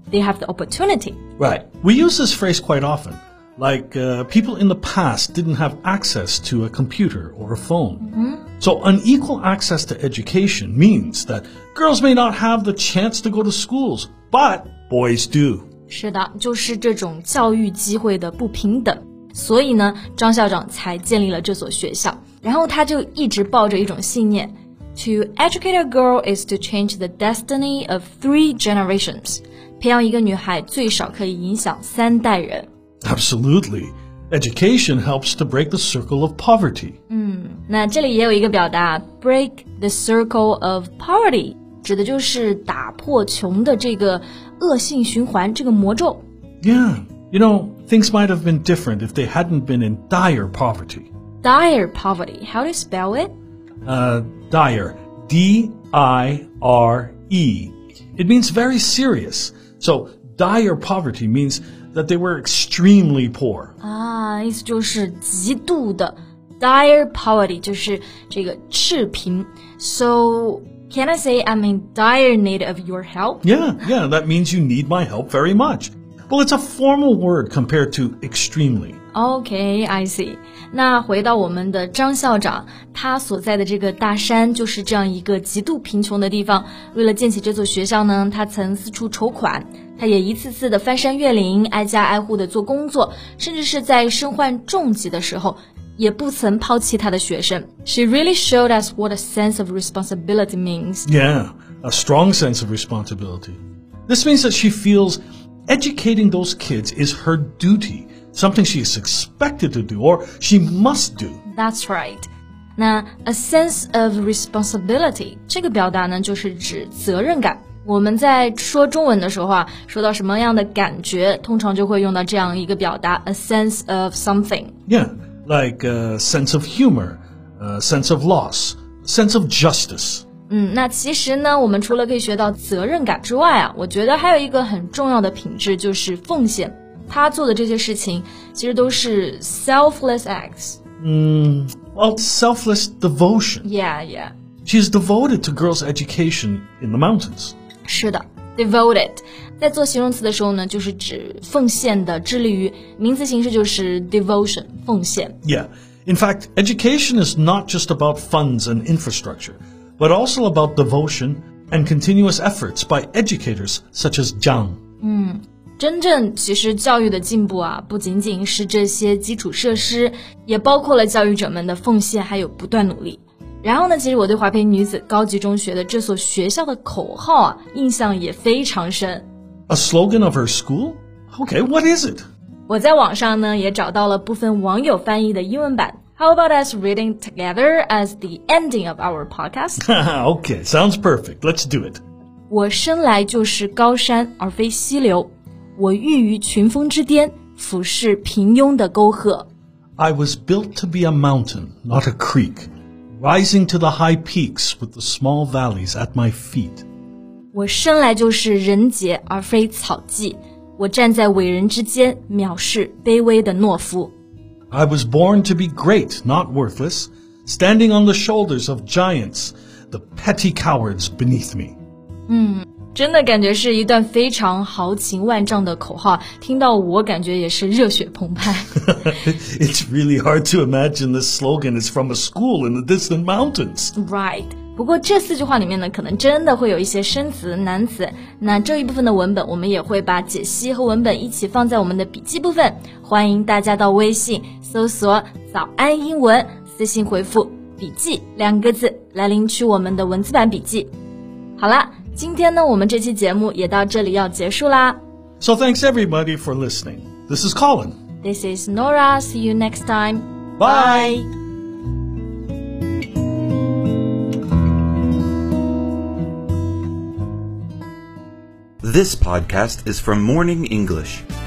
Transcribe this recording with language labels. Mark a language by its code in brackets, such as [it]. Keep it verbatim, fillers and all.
[en] They have the opportunity. Right. We use this phrase quite often, like uh, people in the past didn't have access to a computer or a phone. Mm-hmm. So unequal access to education means that girls may not have the chance to go to schools, but boys do. [zh] 是的，就是这种教育机会的不平等。所以呢，张校长才建立了这所学校。然后他就一直抱着一种信念 ： [en] To educate a girl is to change the destiny of three generations。 [zh] 培养一个女孩最少可以影响三代人。 [en] Absolutely, education helps to break the circle of poverty。 [zh] 嗯，那这里也有一个表达 ： [en] break the circle of poverty， [zh] 指的就是打破穷的这个恶性循环，这个魔咒。 [en] Yeah, you know. Things might have been different if they hadn't been in dire poverty. Dire poverty. How do you spell it? Uh, dire. D I R E. It means very serious. So, dire poverty means that they were extremely poor. [zh] 啊，意思就是极度的 dire poverty 就是这个赤贫。 [en] So, can I say I'm in dire need of your help? Yeah, yeah, that means you need my help very much. Well, it's a formal word compared to extremely. Okay, I see. [zh] 那回到我们的张校长，他所在的这个大山就是这样一个极度贫穷的地方。为了建起这座学校呢，他曾四处筹款，他也一次次的翻山越岭，挨家挨户的做工作，甚至是在身患重疾的时候，也不曾抛弃他的学生。 [en] She really showed us what a sense of responsibility means. Yeah, a strong sense of responsibility. This means that she feels... Educating those kids is her duty, something she is expected to do or she must do. That's right. [zh] 那 [en] a sense of responsibility [zh] 这个表达呢，就是指责任感。我们在说中文的时候啊，说到什么样的感觉，通常就会用到这样一个表达 [en] a sense of something. Yeah, like a sense of humor, a sense of loss, a sense of justice. [zh] 嗯，那其实呢，我们除了可以学到责任感之外啊，我觉得还有一个很重要的品质就是奉献。他做的这些事情其实都是 [en] selfless acts. 嗯 well, selfless devotion. Yeah, yeah. She's devoted to girls' education in the mountains. [zh] 是的 devoted. 在做形容词的时候呢，就是指奉献的，致力于，名词形式就是 devotion, 奉献。 [en] Yeah. In fact, education is not just about funds and infrastructure. But also about devotion and continuous efforts by educators such as Zhang. [zh] 嗯，真正其实教育的进步啊，不仅仅是这些基础设施，也包括了教育者们的奉献还有不断努力。然后呢，其实我对华培女子高级中学的这所学校的口号啊，印象也非常深。 [en] A slogan of her school? Okay, what is it? [zh] 我在网上呢也找到了部分网友翻译的英文版。 [en] How about us reading together as the ending of our podcast? Okay, sounds perfect. Let's do it. [zh] 我生来就是高山而非溪流，我育于群峰之巅，俯视平庸的沟壑。 [en] I was built to be a mountain, not a creek, rising to the high peaks with the small valleys at my feet. [zh] 我生来就是人杰而非草芥，我站在伟人之间，藐视卑微的懦夫。 [en] I was born to be great, not worthless, standing on the shoulders of giants, the petty cowards beneath me. [zh] 嗯，真的感觉是一段非常豪情万丈的口号，听到我感觉也是热血澎湃。 [en] It's really hard to imagine this slogan is from a school in the distant mountains. Right. [zh] 不过这四句话里面呢，可能真的会有一些生词、难词。那这一部分的文本，我们也会把解析和文本一起放在我们的笔记部分。欢迎大家到微信搜索“早安英文”，私信回复“笔记”两个字来领取我们的文字版笔记。好了，今天呢，我们这期节目也到这里要结束啦。 [en] So thanks everybody for listening. This is Colin. This is Nora. See you next time. Bye. Bye. This podcast is from Morning English.